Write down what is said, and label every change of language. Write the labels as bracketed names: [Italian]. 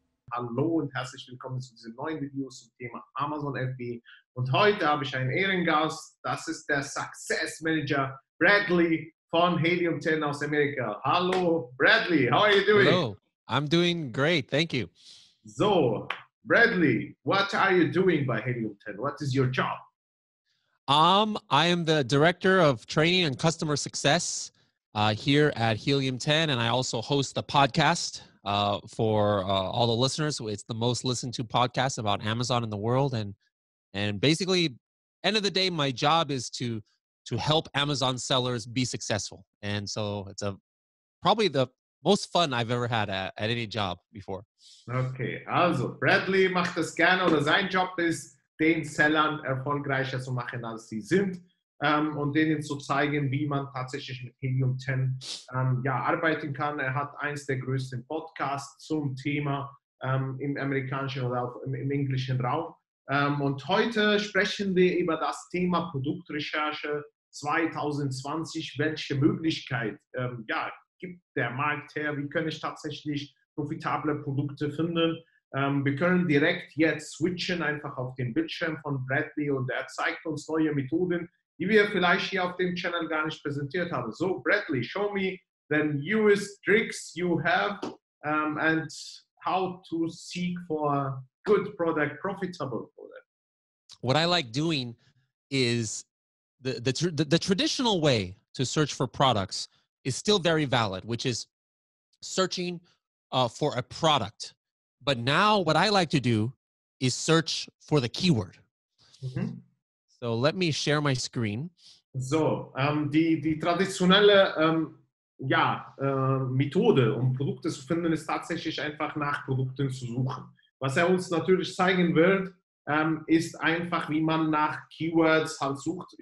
[German] Hallo und herzlich willkommen zu diesem neuen Video zum Thema Amazon FBA. Und heute habe ich einen Ehrengast, das ist der Success Manager Bradley von Helium10 aus Amerika. [English] Hallo Bradley, how are you doing? Hello, I'm doing great, thank you. So, Bradley, what are you doing by Helium10? What is your job? I am the Director of Training and Customer Success here at Helium10, and I also host the podcast for all the listeners. It's the most listened to podcast about Amazon in the world. And basically, end of the day, my job is to help Amazon sellers be successful. And so it's probably the most fun I've ever had at any job before. [German] Okay, also Bradley macht das gerne, oder sein Job ist, den Sellern erfolgreicher zu machen, als sie sind, und denen zu zeigen, wie man tatsächlich mit Helium10 arbeiten kann. Er hat eins der größten Podcasts zum Thema im amerikanischen oder auch im englischen Raum. Und heute sprechen wir über das Thema Produktrecherche 2020. Welche Möglichkeit gibt der Markt her? Wie kann ich tatsächlich profitable Produkte finden? Wir können direkt jetzt switchen, einfach auf den Bildschirm von Bradley, und er zeigt uns neue Methoden, die wir vielleicht hier auf dem Channel gar nicht präsentiert haben. [English] So, Bradley, show me the newest tricks you have and how to seek for good product, profitable product. What I like doing is the traditional way to search for products is still very valid, which is searching for a product. But now what I like to do is search for the keyword. Mm-hmm. So let me share my screen. [German] So, die traditionelle Methode, um Produkte zu finden, ist tatsächlich einfach nach Produkten zu suchen. Was er uns natürlich zeigen wird, ist einfach, wie man nach Keywords halt sucht.